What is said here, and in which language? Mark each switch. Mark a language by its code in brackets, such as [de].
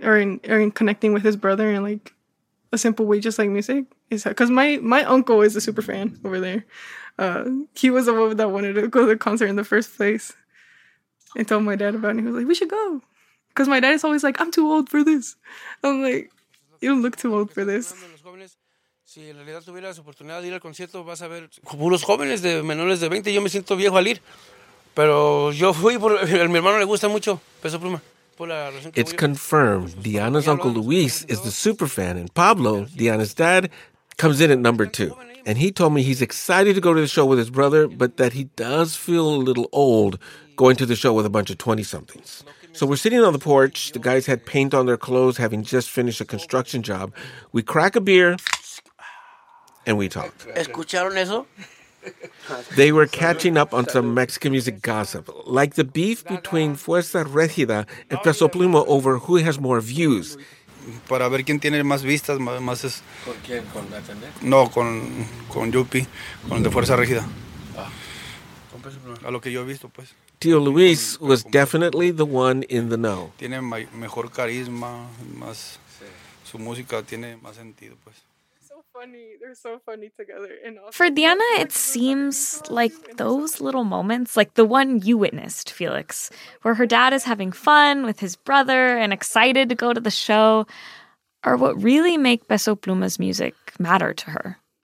[en] Or in connecting with his brother in like a simple way, just like music. Because my uncle is a super fan over there. He was the one that wanted to go to the concert in the first place. And told my dad about it. And he was like, we should go. Because my dad is always like, I'm too old for this. I'm like, you don't look too old for this. [es] Si en realidad tuvieras oportunidad de ir al concierto, vas a ver puros jóvenes de menores de 20. Yo me siento viejo al ir. Pero yo fui por mi hermano le gusta mucho Peso Pluma. [en] It's confirmed. Diana's uncle Luis is the super fan, and Pablo, Diana's dad, comes in at number two. And he told me he's excited to go to the show with his brother, but that he does feel a little old going to the show with a bunch of 20-somethings. So we're sitting on the porch. The guys had paint on their clothes, having just finished a construction job. We crack a beer, and we talk. [es] ¿Escucharon eso? [en] They were catching up on some Mexican music gossip, like the beef between Fuerza Regida and Peso Pluma over who has more views. [es] Para ver quién tiene más vistas, más es. ¿Con quién? ¿Con la No, con Yupi, con de Fuerza Regida. A lo que yo he visto, pues. [en] Tío Luis was definitely the one in the know. [es] Tiene mejor carisma, más su música tiene más sentido, pues. [en] For Diana, it seems like those little moments, like the one you witnessed, Felix, where her dad is having fun with his brother and excited to go to the show, are what really make Peso Pluma's music matter to her.